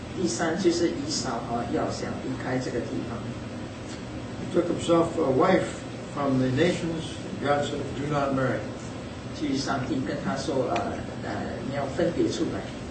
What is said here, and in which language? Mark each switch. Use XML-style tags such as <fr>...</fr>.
<zh>第三就是以扫要想离开这个地方。</zh> <en>He took himself a wife from the nations. God said, do not marry.</en> <zh>据上帝跟他说,你要分别出来。</zh>